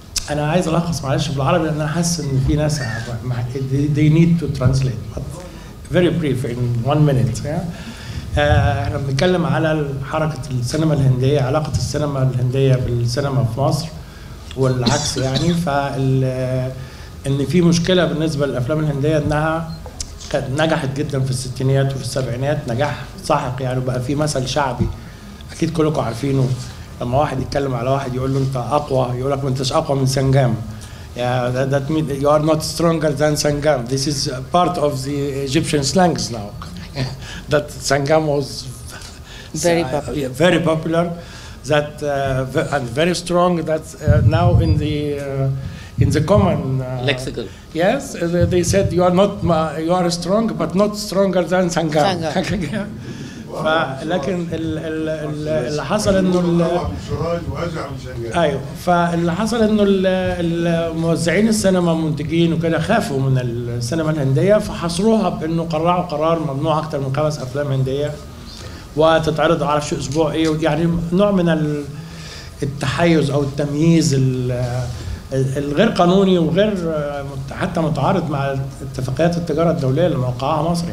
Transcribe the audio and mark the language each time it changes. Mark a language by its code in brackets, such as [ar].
[ar] أنا عايز ألخص معلش بالعربي لأن أحس إن في ناس [en] they need to translate. But very brief in 1 minute. Yeah. [ar] احنا بنتكلم على حركة السينما الهندية، علاقة السينما الهندية بالسينما في مصر والعكس، يعني فإن في مشكلة بالنسبة للأفلام الهندية أنها نجحت جدا في الستينيات وفي السبعينيات نجاح ساحق، يعني بقى في مثل شعبي أكيد كلكم عارفينه، لما واحد يتكلم على واحد يقول له أنت أقوى، يقول لك ما أنتش أقوى من سنجام. [en] Yeah, that means that you are not stronger than Sangam. This is part of the Egyptian slangs now. That Sangam was very popular. Yeah, very popular, that and very strong. That now in the common lexical. Yes, they said you are not you are strong, but not stronger than Sangam. [ar] فلكن اللي حصل انه ايوه فاللي حصل انه الموزعين السينما منتجين وكده خافوا من السينما الهنديه فحصروها بانه قرعوا قرار ممنوع اكثر من 5 افلام هنديه وتتعرض على شو اسبوع ايه، يعني نوع من التحيز او التمييز الغير قانوني وغير حتى متعارض مع اتفاقيات التجاره الدوليه اللي موقعها مصر.